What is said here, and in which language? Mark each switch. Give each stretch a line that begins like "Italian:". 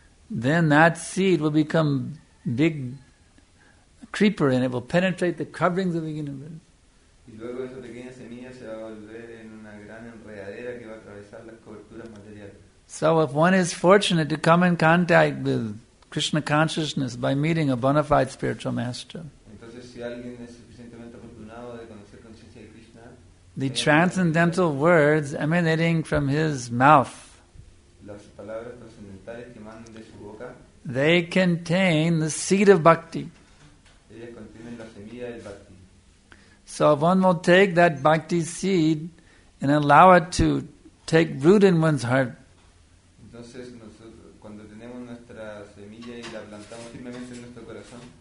English: Then that seed will become big creeper and it will penetrate the coverings of the universe.
Spanish: Y luego esa pequeña semilla se va a volver en una gran enredadera que va a atravesar las coberturas materiales.
English: So if one is fortunate to come in contact with Krishna consciousness by meeting a bona fide spiritual master,
Spanish: entonces si alguien es suficientemente afortunado de conocer conciencia de Krishna,
English: the transcendental words emanating from his mouth,
Spanish: las palabras transcendentales que emanan de su boca,
English: they contain the seed of
Spanish: bhakti. Ellas contienen la semilla del bhakti.
English: So if one will take that bhakti seed and allow it to take root in one's heart,
Spanish: entonces nosotros, cuando tenemos nuestra semilla y la plantamos firmemente en nuestro corazón,